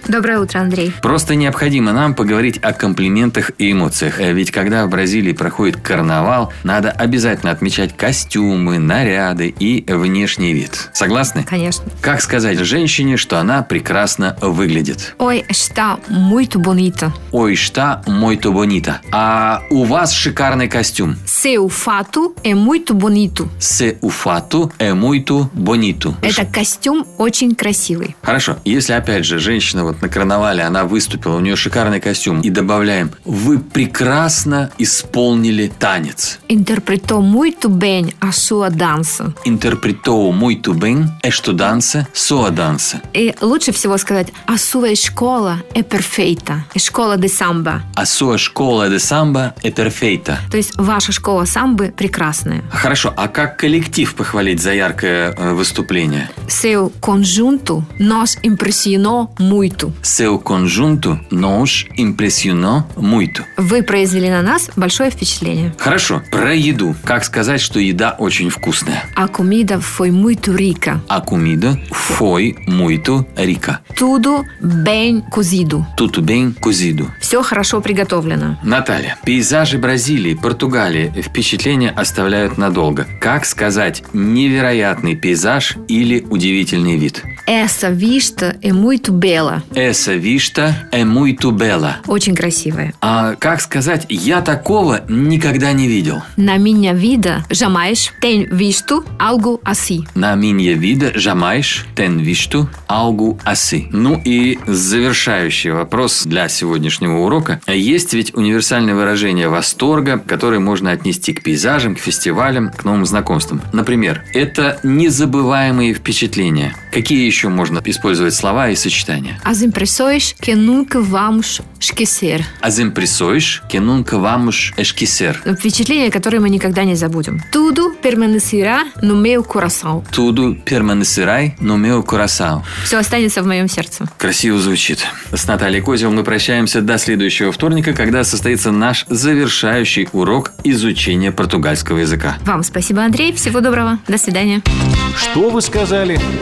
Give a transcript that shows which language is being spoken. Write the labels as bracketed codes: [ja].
[ru] Доброе утро, Андрей. Просто необходимо нам поговорить о комплиментах и эмоциях. Ведь когда в Бразилии проходит карнавал, надо обязательно отмечать костюмы, наряды и внешний вид. Согласны? Конечно. Как сказать женщине, что она прекрасно выглядит? [pt] Ой, está muito bonita. Ой, está muito bonita. [ru] А у вас шикарный костюм. [pt] Seu fato é muito bonito. Seu fato é muito bonito. [ru] Это костюм очень красивый. Хорошо. Если, опять же, женщина вот на карнавале, она выступила, у нее шикарный костюм, и добавляем, вы прекрасно исполнили танец. [pt] Interpretou muito bem a sua dança. Interpretou muito bem esta dança, sua dança. [ru] И лучше всего сказать, [pt] a sua escola é perfeita. Escola de samba. A sua escola de samba é perfeita. [ru] То есть, ваша школа самбы прекрасная. Хорошо, а как коллектив похвалить за яркое выступление? [pt] Seu conjunto nos impressionou muito. Seu conjunto nos impressionou muito. [ru] Вы произвели на нас большое впечатление. Хорошо, про еду. Как сказать, что еда очень вкусная? [pt] A comida foi muito rica. A comida foi muito rica. Tudo bem cozido. Tudo bem cozido. [ru] Все хорошо приготовлено. Наталья, пейзажи Бразилии, Португалии впечатление оставляют надолго. Как сказать невероятный пейзаж или удивительный вид? [pt] Essa vista é muito bela. Essa vista é muito bela. [ru] Очень красивая. А как сказать я такого никогда не видел? [pt] На minha vida jamais ten visto algo assim. На minha vida jamais ten visto algo assim. [ru] Ну и завершающий вопрос для сегодняшнего урока. Есть ведь универсальное выражение восторга, которое можно отнести к пейзажам, к фестивалям, к новым знакомствам. Например, это незабываемые впечатления. Какие еще можно использовать слова и сочетания? [pt] As impressões que nunca vamos esquecer. As impressões que nunca vamos esquecer. [ru] Впечатления, которые мы никогда не забудем. [pt] Tudo permanecerá no meu coração. Tudo permanecerá no meu coração. [ru] Все останется в моем сердце. Красиво звучит. С Натальей Козел мы прощаемся до следующего вторника, когда состоится наш завершающий урок изучения португальского языка. Вам спасибо, Андрей. Всего доброго. До свидания. Что вы сказали?